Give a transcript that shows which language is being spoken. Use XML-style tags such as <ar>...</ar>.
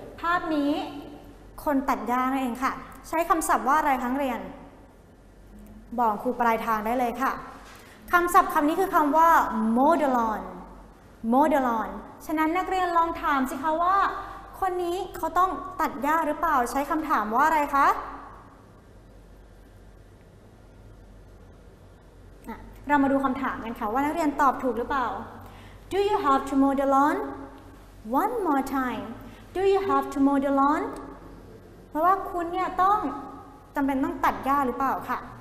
<th>ภาพนี้คนตัดหญ้านั่นเองค่ะใช้คำศัพท์ว่าอะไรครั้งเรียนบอกครูปลายทางได้เลยค่ะคำศัพท์คำนี้คือคำว่า mow the lawn ฉะนั้นนักเรียนลองถามสิคะว่าคนนี้เขาต้องตัดหญ้าหรือเปล่าใช้คำถามว่าอะไรคะเรามาดูคำถามกันค่ะว่านักเรียนตอบถูกหรือเปล่า</th> <en>Do you have to mow the lawn? One more time Do you have to mow the lawn?</en> <th>เพราะว่าคุณเนี่ยต้องจำเป็นต้องตัดหญ้าหรือเปล่าค่ะ</th>